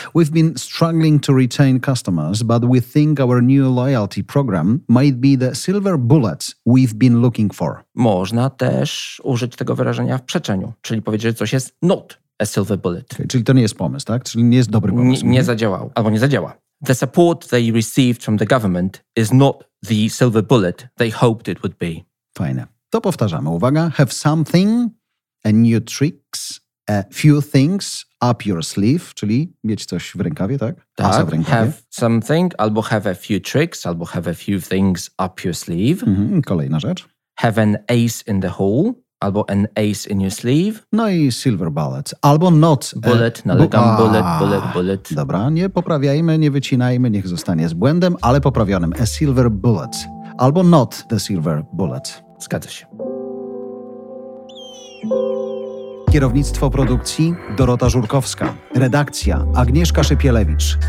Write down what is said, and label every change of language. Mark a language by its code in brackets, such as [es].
[en] We've been struggling to retain customers, but we think our new loyalty program might be the silver bullet we've been looking for. [pl] Można też użyć tego wyrażenia w przeczeniu, czyli powiedzieć, że coś jest [en] not a silver bullet. [pl] Okay, czyli to nie jest pomysł, tak? Czyli nie jest dobry pomysł. Nie zadziałał. Albo nie zadziała. [en] The support they received from the government is not the silver bullet they hoped it would be. [pl] Fajne. To powtarzamy. Uwaga. [en] Have something, a new tricks, a few things up your sleeve, [pl] czyli mieć coś w rękawie, tak? Tak. Asa w rękawie. [en] Have something, albo have a few tricks, albo have a few things up your sleeve. [pl] Mm-hmm. Kolejna rzecz. [en] Have an ace in the hole. Albo an ace in your sleeve. [pl] No i silver bullet. Albo not. Bullet, nalegam, bullet. Dobra, nie poprawiajmy, nie wycinajmy, niech zostanie z błędem, ale poprawionym. [en] A silver bullet. Albo not the silver bullet. [pl] Zgadza się. Kierownictwo produkcji Dorota Żurkowska. Redakcja Agnieszka Szypielewicz.